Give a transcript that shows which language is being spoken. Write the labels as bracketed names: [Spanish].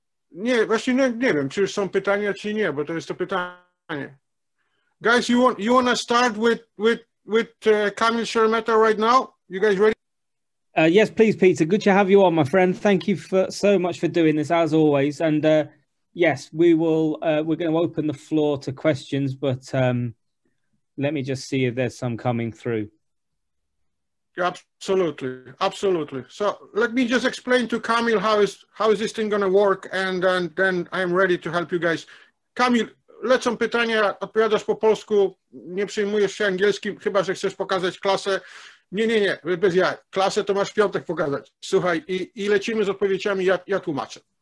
[Polish] Nie, właśnie nie wiem, czy już są pytania, czy nie, bo to jest to pytanie. [English] Guys, you want to start with Kamil Szeremeta right now? You guys ready? Yes, please, Peter. Good to have you on, my friend. Thank you so much for doing this, as always. And yes, we will. We're going to open the floor to questions, but let me just see if there's some coming through. Absolutely, absolutely. So let me just explain to Kamil how is this thing going to work, and then I'm ready to help you guys. [Polish] Kamil, lecą pytania, odpowiadasz po polsku, nie przyjmujesz się angielskim, chyba że chcesz pokazać klasę. Nie, bez jaj. Klasę to masz w piątek pokazać. Słuchaj, i lecimy z odpowiedziami, ja tłumaczę.